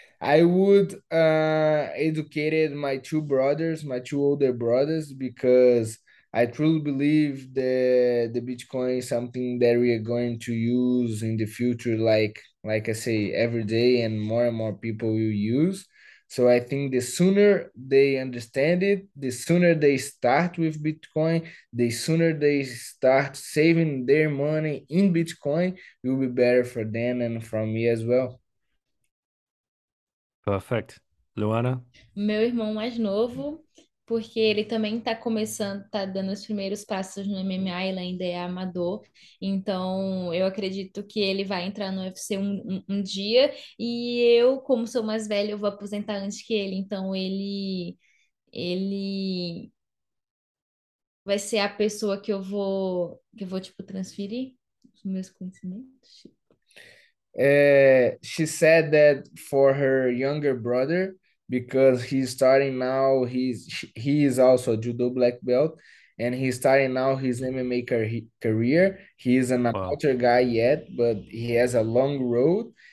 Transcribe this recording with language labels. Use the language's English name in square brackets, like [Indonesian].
[English] I would educated my two brothers, my two older brothers, because I truly believe that the Bitcoin is something that we are going to use in the future, like I say, every day, and more people will use. So I think the sooner they understand it, the sooner they start with Bitcoin, the sooner they start saving their money in Bitcoin, will be better for them and for me as well. Perfect. Luana? [Portuguese] Meu irmão mais novo, porque ele também tá começando, tá dando os primeiros passos no MMA, ele ainda é amador. Então, eu acredito que ele vai entrar no UFC um dia. E eu, como sou mais velha, eu vou aposentar antes que ele. Então, ele vai ser a pessoa que eu vou tipo, transferir os meus conhecimentos. [English] She said that for her younger brother, because he's starting now, he is also a judo black belt, and he's starting now his MMA career. He is an amateur guy yet, but he has a long road.